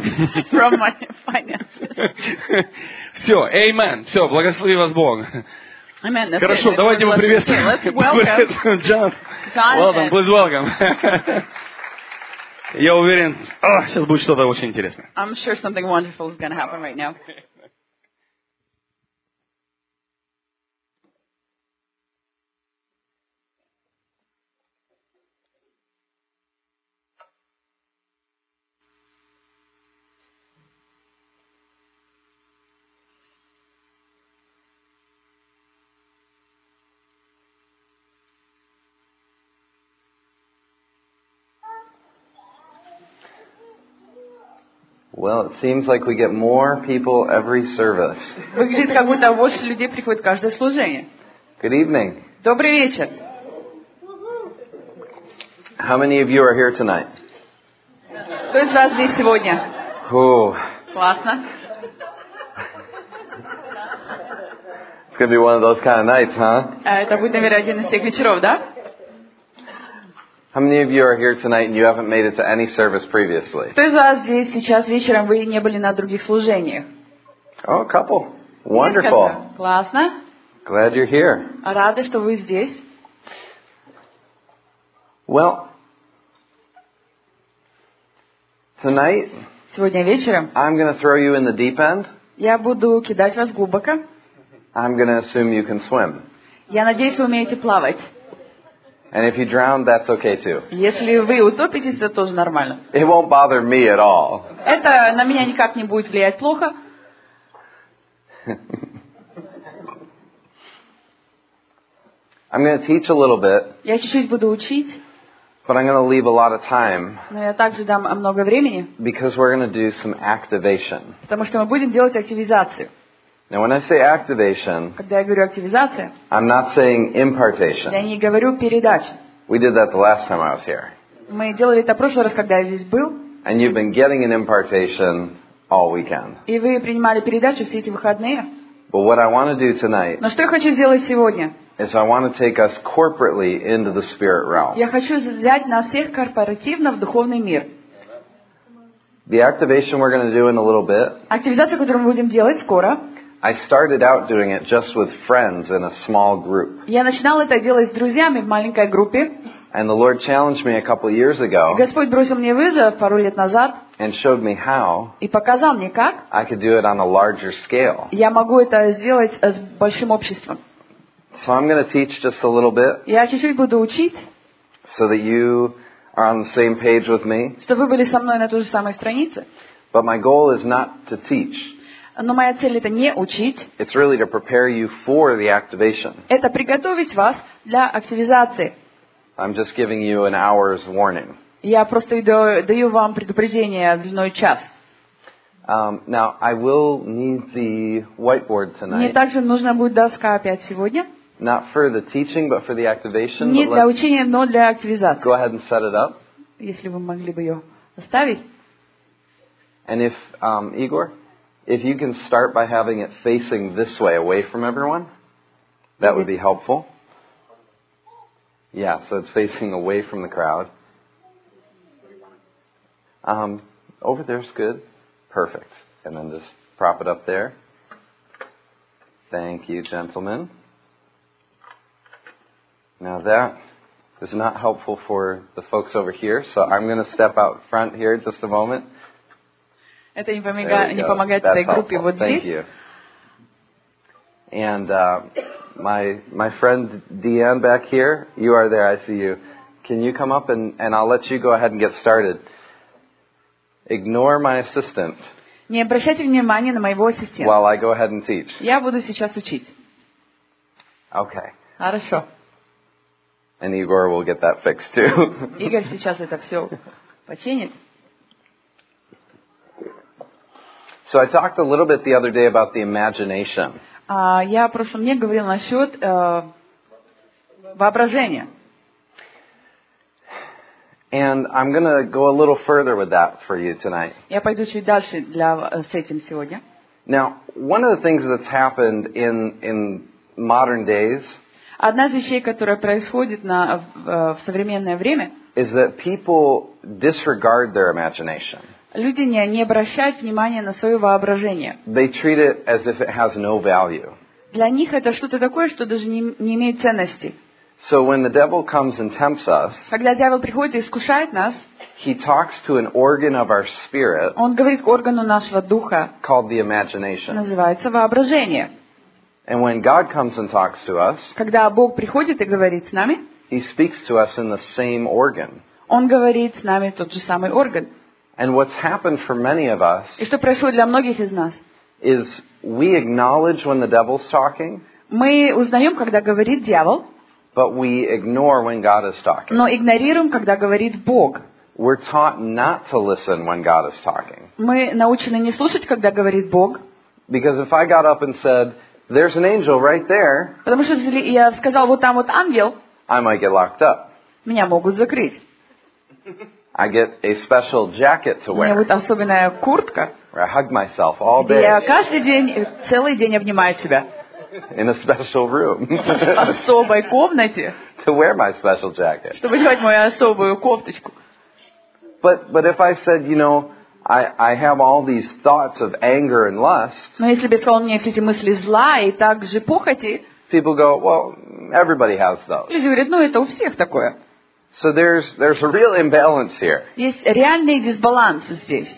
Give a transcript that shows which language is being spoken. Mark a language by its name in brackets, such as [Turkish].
[English] From my finances. [Russian] Все, amen. Все, благослови вас Бог. [English] Amen. [Russian] Хорошо, [English] it. [Russian] Давайте мы приветствуем. [English] Welcome, John. Welcome, please welcome. [Russian] Я уверен, сейчас будет что-то очень интересное. [English] I'm sure something wonderful is going to happen right now. Well, it seems like we get more people every service. [Russian] Выглядит, как будто больше людей приходит каждое служение. [English] Good evening. [Russian] Добрый вечер. [English] How many of you are here tonight? [Russian] Кто из вас здесь сегодня? Ooh. Классно. [English] It's gonna be one of those kind of nights, huh? [Russian] Это будет, наверное, один из тех вечеров, да? [English] How many of you are here tonight and you haven't made it to any service previously? [Russian] Кто из вас здесь сейчас вечером, вы не были на других служениях? [English] Oh, a couple. Wonderful. [Russian] Классно. [English] Glad you're here. [Russian] Рада, что вы здесь. [English] Well, tonight, [Russian] сегодня вечером, [English] I'm going to throw you in the deep end. [Russian] Я буду кидать вас глубоко. [English] I'm going to assume you can swim. [Russian] Я надеюсь, вы умеете плавать. [English] And if you drown, that's okay too. [Russian] Если вы утопитесь, это тоже нормально. [English] It won't bother me at all. [Russian] Это на меня никак не будет влиять плохо. [English] I'm going to teach a little bit. [Russian] Я чуть-чуть буду учить. [English] But I'm going to leave a lot of time. [Russian] Но я также дам много времени. [English] Because we're going to do some activation. [Russian] Потому что мы будем делать активизацию. [English] Now, when I say activation, [Russian] когда я говорю активизация, [English] I'm not saying impartation. [Russian] Я не говорю передача. [English] We did that the last time I was here. [Russian] Мы делали это в прошлый раз, когда я здесь был. [English] And you've been getting an impartation all weekend. [Russian] И вы принимали передачу все эти выходные. [English] But what I want to do tonight, [Russian] но что я хочу сделать сегодня, [English] is I want to take us corporately into the spirit realm. [Russian] Я хочу взять нас всех корпоративно в духовный мир. [English] The activation we're going to do in a little bit, [Russian] активизация, которую мы будем делать скоро, [English] I started out doing it just with friends in a small group. [Russian] Я начинал это делать с друзьями в маленькой группе. [English] And the Lord challenged me a couple of years ago. [Russian] Господь бросил мне вызов пару лет назад. [English] And showed me how. [Russian] И показал мне как. [English] I could do it on a larger scale. [Russian] Я могу это сделать с большим обществом. [English] So I'm going to teach just a little bit. [Russian] Я чуть-чуть буду учить. [English] So that you are on the same page with me. [Russian] Чтобы вы были со мной на той же самой странице. [English] But my goal is not to teach. [Russian] Но моя цель это не учить. [English] It's really to prepare you for the activation. [Russian] Это приготовить вас для активизации. [English] I'm just giving you an hour's warning. [Russian] Я просто даю вам предупреждение длиной час. [English] Now I will need the whiteboard tonight. [Russian] Мне также нужна будет доска опять сегодня. [English] Not for the teaching, but for the activation. [Russian] Не для учения, но для активизации. [English] Go ahead and set it up. [Russian] Если вы могли бы ее оставить. [English] And if Igor, if you can start by having it facing this way, away from everyone, that would be helpful. Yeah, so it's facing away from the crowd. Over there's good. Perfect. And then just prop it up there. Thank you, gentlemen. Now that is not helpful for the folks over here, so I'm going to step out front here just a moment. [Russian] Это не помогает этой группе вот здесь. [English] Thank you. And my friend Deanne back here, you are there, I see you. Can you come up and I'll let you go ahead and get started. Ignore my assistant. [Russian] Не обращайте внимания на моего ассистента. [English] While I go ahead and teach. [Russian] Я буду сейчас учить. [English] Okay. [Russian] Хорошо. [English] And Igor will get that fixed too. [Russian] Игорь сейчас это все починит. [English] So I talked a little bit the other day about the imagination. [Russian] Я в прошлом дне говорил насчет воображения. [English] And I'm going to go a little further with that for you tonight. [Russian] Я пойду чуть дальше для с этим сегодня. [English] Now, one of the things that's happened in modern days. [Russian] Одна из вещей, которая происходит в современное время. [English] Is that people disregard their imagination. [Russian] Люди не обращают внимания на свое воображение. [English] They treat it as if it has no value. [Russian] Для них это что-то такое, что даже не имеет ценности. [English] So when the devil comes and tempts us, [Russian] когда дьявол приходит и искушает нас, [English] he talks to an organ of our spirit, [Russian] он говорит к органу нашего духа, [English] called the imagination. [Russian] Называется воображение. [English] And when God comes and talks to us, [Russian] когда Бог приходит и говорит с нами, [English] he speaks to us in the same organ. [Russian] Он говорит с нами тот же самый орган. [English] And what's happened for many of us, [Russian] и что происходит для многих из нас, [English] is we acknowledge when the devil's talking, [Russian] мы узнаем, когда говорит дьявол, [English] but we ignore when God is talking. [Russian] Но игнорируем, когда говорит Бог. [English] We're taught not to listen when God is talking. [Russian] Мы научены не слушать, когда говорит Бог. [English] Because if I got up and said, "There's an angel right there," [Russian] потому что если я сказал, вот там вот ангел, [English] I might get locked up. [Russian] Меня могут закрыть. [English] I get a special jacket to wear. [Russian] Мне вот особенная куртка. [English] Where I hug myself all day. [Russian] Я каждый день, целый день обнимаю себя. [English] In a special room. [Russian] В особой комнате. [English] To wear my special jacket. [Russian] Чтобы надеть мою особую кофточку. [English] But if I said, you know, I have all these thoughts of anger and lust. [Russian] Но если бы сказал мне все эти мысли зла и также похоти. [English] People go, well, everybody has those. [Russian] Люди говорят, ну это у всех такое. [English] So there's a real imbalance here. [Russian] Есть реальный дисбаланс здесь.